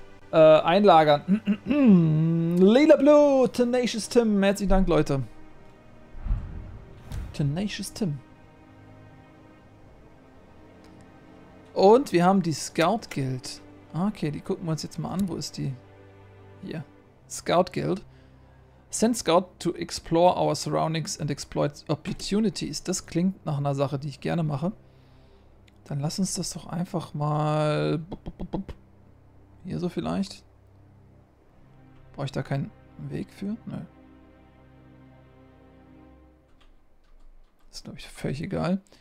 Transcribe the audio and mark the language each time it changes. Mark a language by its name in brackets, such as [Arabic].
[German] Einlagern, Lila Blue, Tenacious Tim, herzlichen Dank, Leute. Tenacious Tim. Und wir haben die Scout Guild. Okay, die gucken wir uns jetzt mal an, wo ist die? Hier, Scout Guild. [English] Send Scout to explore our surroundings and exploit opportunities. [German] Das klingt nach einer Sache, die ich gerne mache. Dann lass uns das doch einfach mal... Hier so vielleicht. Brauche ich da keinen Weg für? Nö. Ist, glaube ich, völlig egal.